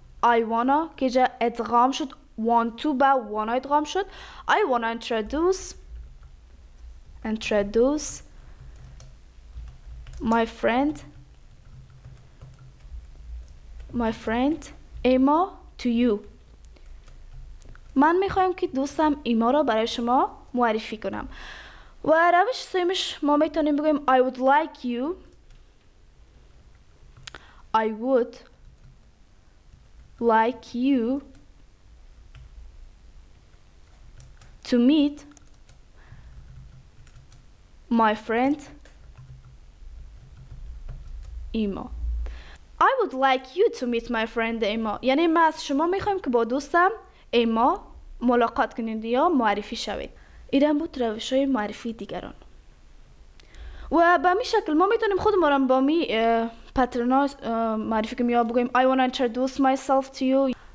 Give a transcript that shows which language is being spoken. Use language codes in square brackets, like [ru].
[en] I wanna [fa] که جا ادغام شد [en] want to [fa] با [en] wanna [fa] ادغام شد. [en] I wanna introduce my friend Emma to you. [fa] من میخوایم که دوستم ایما را برای شما معرفی کنم. و روش سومش ما میتونیم بگویم [en] I would like you. I would like you to meet my friend Emma. I would like you to meet my friend Emma. [fa] یعنی ما از شما میخوایم که با دوستم ایما ملاقات کنید یا معرفی شوید. ایران بود روش های معرفی دیگران. و به می شکل ما میتونیم خودمون با می پترنا معرفی کنیم یا بگویم [en] I want to introduce myself to you.